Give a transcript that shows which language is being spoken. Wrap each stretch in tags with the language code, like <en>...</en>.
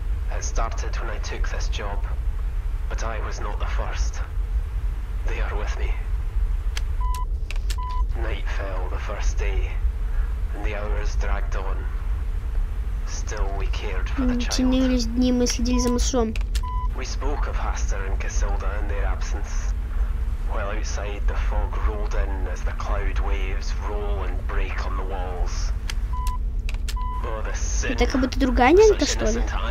<en>It started when I took this job, but I was not the first. They are with me. Night fell the first day, and the hours dragged on. Still we cared for the child.</en> <ru>Тянулись дни, мы следили за малышом.</ru> <en>We spoke of Haster and Casilda in their absence. While outside, the fog rolled in as the cloud waves roll and break on the walls.</en> <ru>Это как будто другая нянька, что ли?</ru>